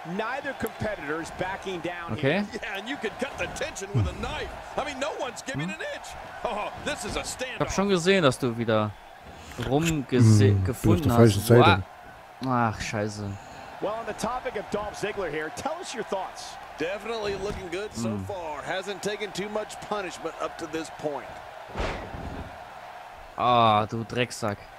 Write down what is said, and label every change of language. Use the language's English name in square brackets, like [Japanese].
[English] Neither competitor is backing down. Okay. Yeah, and you could cut the tension with a knife. I mean, no one's giving an inch. Oh, this is a standoff. [German] Ich hab schon gesehen, dass du wieder gefunden hast. Falsche Seite. Ach, Scheiße. [English] Well, on the topic of Dolph Ziggler here, tell us your thoughts. Definitely looking good so far. Hasn't taken too much punishment up to this point. [German] Ah, du Drecksack.